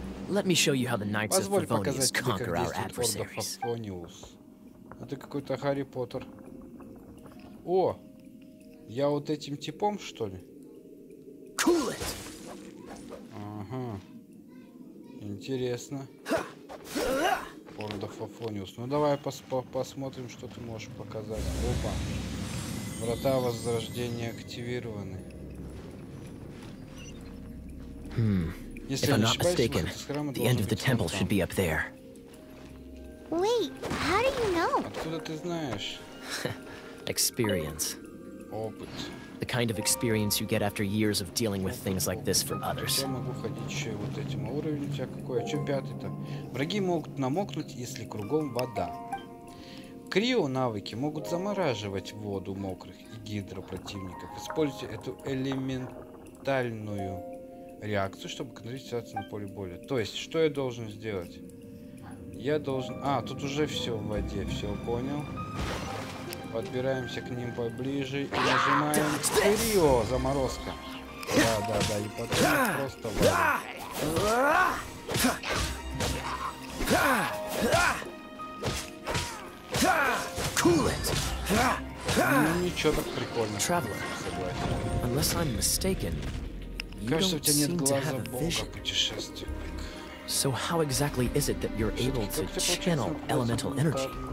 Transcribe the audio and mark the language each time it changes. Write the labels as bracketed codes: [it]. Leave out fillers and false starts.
[en] Let me show you how the Knights of Favonius conquer our adversaries. [ru] А ты какой-то Гарри Поттер. О! Я вот этим типом, что ли? [en] Cool it! [ru] Ага. Интересно. Форда Фафониус. Ну давай посмотрим, что ты можешь показать. Опа. Врата возрождения активированы. [en] If I'm not mistaken, the end of the temple should be up there. Wait, how do you know? [ru] Откуда ты знаешь? [en] Experience. [ru] Опыт. [en] The kind of experience you get after years of dealing with things like this for others. [ru] Я могу ходить еще вот этим. Уровень у тебя какой? А что пятый-то? Враги могут намокнуть, если кругом вода. Крио-навыки могут замораживать воду мокрых и гидро противников. Используйте эту элементальную реакцию, чтобы контролировать ситуацию на поле боя. То есть, что я должен сделать? Я должен... А, тут уже все в воде, все понял. Подбираемся к ним поближе и нажимаем... Крио, заморозка. Да, да, да, и потом просто... Ну, ничего так прикольно. Согласен. Кажется, у тебя нет глаза бога, путешественник. [en] So how exactly is it that you're able to channel elemental energy?